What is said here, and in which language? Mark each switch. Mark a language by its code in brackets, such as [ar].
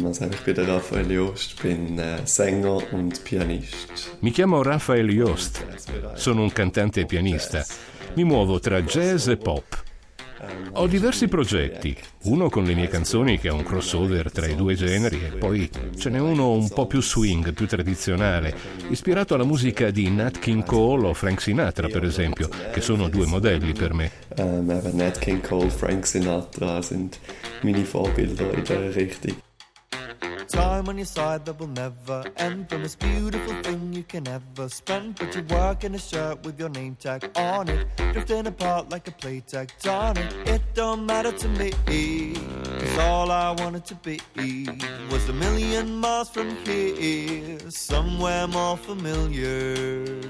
[de] Ich bin der Raphael Jost, bin Sänger und Pianist. [it] Mi chiamo Raphael Jost, sono un cantante e pianista. Mi muovo tra jazz e pop. Ho diversi progetti, uno con le mie canzoni che è un crossover tra i due generi e poi ce n'è uno un po' più swing, più tradizionale, ispirato alla musica di Nat King Cole o Frank Sinatra, per esempio, che sono due modelli per me. [de] Nat King Cole, Frank Sinatra sind mini vorbilder in der Richtung. [en] Time on your side that will never end from this beautiful thing you can ever spend. Put your work in a shirt with your name tag on it, drifting apart like a play tag, darling. It don't matter to me, 'cause all I wanted to be was a million miles from here, somewhere more familiar.